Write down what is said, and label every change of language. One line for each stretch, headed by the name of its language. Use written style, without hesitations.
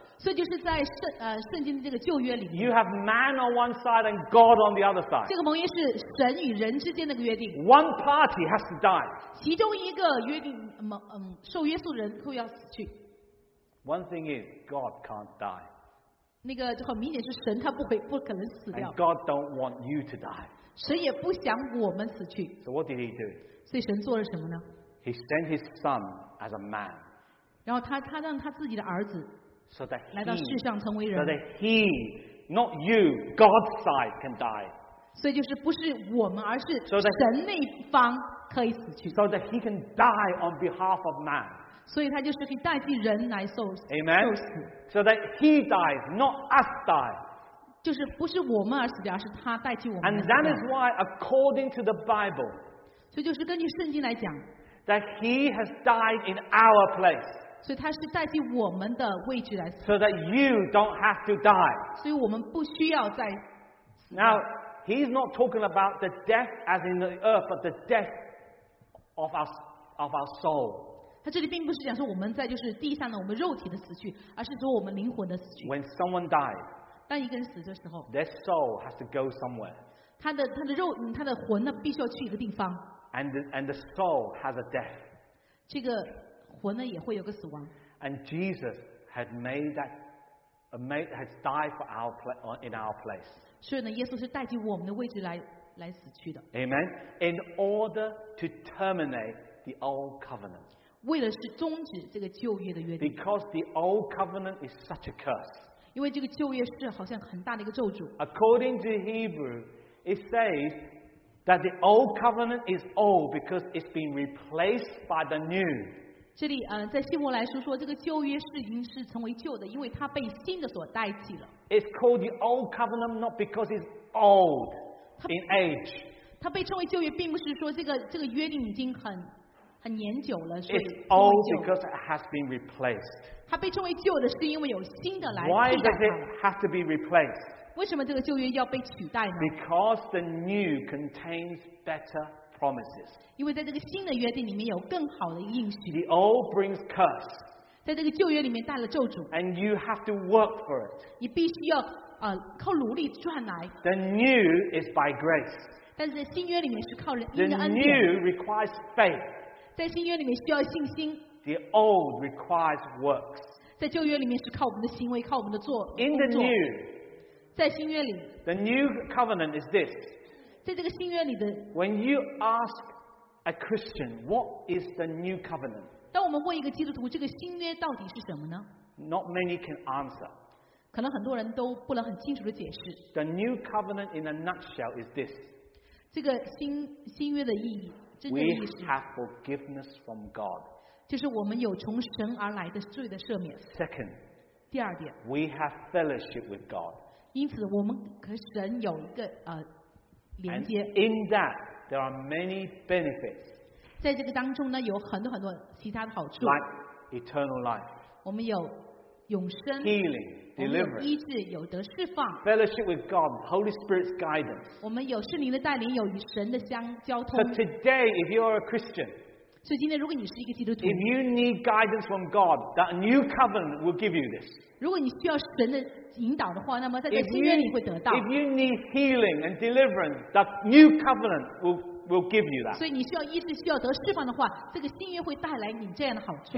Chinese: 所以就是在圣经的这个旧约里面
English: ，you have man on one side and God on the other side.
Chinese: 这个盟约是神与人之间的个约定。
English: One party has to die.
Chinese: 其中一个约定受约束的人都要死去。
English: One thing is God can't die.
Chinese: 那个很明显是神他不可能死掉。
English: And God don't want you to die.
Chinese: 神也不想我们死去。
English: So what did He do?
Chinese: 所以神做了什么呢
English: ？He sent His Son. As a man,
Chinese: 然后他让他自己的儿子来到世上成为人
English: ，so that he, not you, God's side can die.
Chinese: 所以就是不是我们，而是神那一方可以死去
English: ，so that he can die on behalf of man.
Chinese: 所以他就是可以代替人来受死
English: ，Amen. So that he dies, not us die.
Chinese: 就是不是我们而死掉，而是他代替我们。
English: And that is why, according to the Bible,
Chinese: 所以就是根据圣经来讲。
English: That he has died in our place.
Chinese: 所以他是代替我们的位置来死。
English: So that you don't have to die.
Chinese: 所以我们不需要再死。
English: Now he's not talking about the death as in the earth, but the death of our soul.
Chinese: 他这里并不是讲说我们在就是地上的我们肉体的死去，而是说我们灵魂的死去。
English: When someone dies,
Chinese: 当一个人死的时候
English: ，their soul has to go somewhere.
Chinese: 他的肉，他的魂呢，必须要去一个地方。
English: And the soul has a death.
Chinese: 这个魂呢也会有个死亡。
English: And Jesus had made that, has died for our in our place.
Chinese: 所以呢，耶稣是代替我们的位置来死去的。
English: Amen. In order to terminate the old covenant.
Chinese: 为了是终止这个旧约的约定。
English: Because the old covenant is such a curse.
Chinese: 因为这个旧约是好像很大的一个咒诅。
English: According to Hebrew, it says. That the old covenant is old because it's been replaced by the new.
Chinese: 这里在希伯来书说，这个旧约是已经是成为旧的，因为它被新的所代替了。
English: It's called the old covenant not because it's old in age.
Chinese: 它被称为旧约，并不是说这个约定已经很年久了，所以
English: It's old because it has been replaced.
Chinese: 它被称为旧的，是因为有新的来替代它。
English: Why does it have to be replaced?
Chinese: 为什么这个旧约要被取代呢
English: ？Because the new contains better promises.
Chinese: 因为在这个新的约定里面有更好的应许。
English: The old brings curse.
Chinese: 在这个旧约里面带了咒诅。
English: And you have to work for it.
Chinese: 你必须要靠努力赚来。
English: The new is by grace.
Chinese: 但是在新约里面是靠人的恩典。
English: The new requires faith.
Chinese: 在新约里面需要信心。
English: The old requires works.
Chinese: 在旧约里面是靠我们的行为，靠我们的做。
English: In the new.
Chinese: 在新约里
English: the new covenant is this.
Chinese: 在这个新约里的
English: When you ask a Christian, what is the new covenant?
Chinese: 当我们问一个基督徒，这个新约到底是什么呢？
English: Not many can answer.
Chinese: 可能很多人都不能很清楚的解释。
English: The new covenant in a nutshell is this.
Chinese: 这个新约的意义，真正的意义是
English: We have forgiveness from God.
Chinese: 就是我们有从神而来的罪的赦免。
English: Second.
Chinese: 第二点
English: We have fellowship with God.
Chinese: 因此我们和神有一个连接。
English: And in that, there are many benefits.
Chinese: 在这个当中呢，有很多很多其他的好处。
English: Like eternal life.
Chinese: 我们有永生。
English: Healing, deliverance.
Chinese: 医治，有得释放。
English: Fellowship with God, Holy Spirit's guidance.
Chinese: 我们有圣灵的带领，有与神的交通。
English: So today, if you are a Christian,
Chinese: 所以今天如果你是一个基督徒
English: ，if you need guidance from God, that new covenant will give you this.
Chinese: 如果你需要神的引导的话，那么在新约里会得到。
English: If you need healing and deliverance, the new covenant will will give you that.
Chinese: 所以你需要医治，需要得释放的话，这个新约会带来你这样的好处。